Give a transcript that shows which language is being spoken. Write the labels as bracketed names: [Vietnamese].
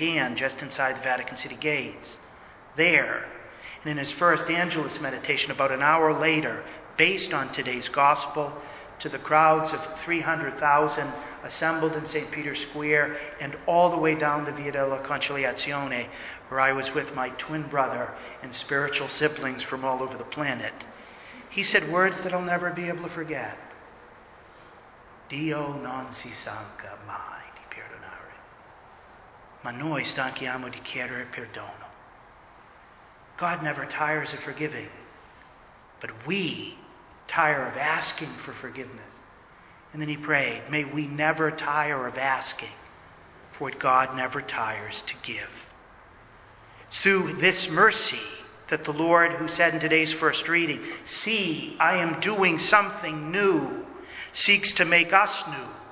[English] Anne, just inside the Vatican City gates. There, and in his first Angelus meditation about an hour later, based on today's gospel, to the crowds of 300,000 assembled in St. Peter's Square and all the way down the Via della Conciliazione, where I was with my twin brother and spiritual siblings from all over the planet, he said words that I'll never be able to forget. [Italian] Dio non si stanca mai di perdonare, ma noi stanchiamo di chiedere perdono. [English] God never tires of forgiving, but we tire of asking for forgiveness. And then he prayed, may we never tire of asking for what God never tires to give. It's through this mercy that the Lord, who said in today's first reading, see, I am doing something new, seeks to make us new.